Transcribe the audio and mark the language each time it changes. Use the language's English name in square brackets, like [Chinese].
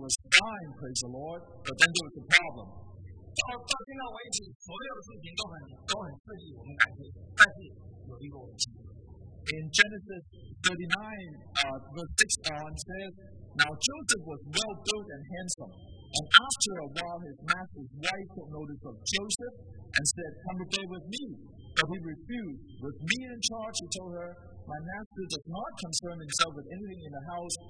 [English] was fine, praise the Lord, but then there was a problem. [Chinese] 到现在为止，所有事情都很顺利，我们感谢。但是有一个问题。 [English] In Genesis 39, verse 6 on says, Now Joseph was well built and handsome, and after a while his master's wife took notice of Joseph and said, Come to bed with me. But he refused. With me in charge, he told her, My master does not concern himself with anything in the house.